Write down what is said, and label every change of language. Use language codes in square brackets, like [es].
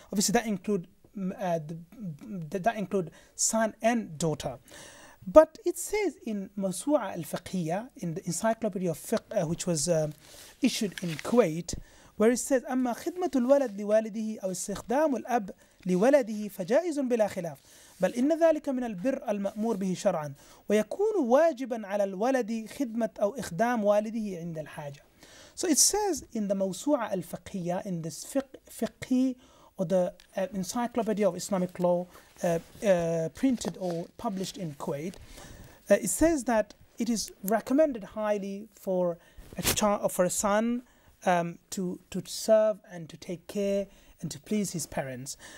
[en] Obviously, that include that include son and daughter. But it says in Masu'a al-Fiqhiyya, in the Encyclopedia of Fiqh, which was issued in Kuwait, where it says, [ar] "أما خدمة الولد لوالده أو استخدام الأب لولده فجائز بلا خلاف بل إن ذلك من البر المأمور به شرعا ويكون واجبا على الولد خدمة أو إخدام والده عند الحاجة. [en] So it says in the موسوعه الفقهية, in this fiqhi or the encyclopedia of Islamic law printed or published in Kuwait, it says that it is recommended highly for a child, for a son to serve and to take care and to please his parents.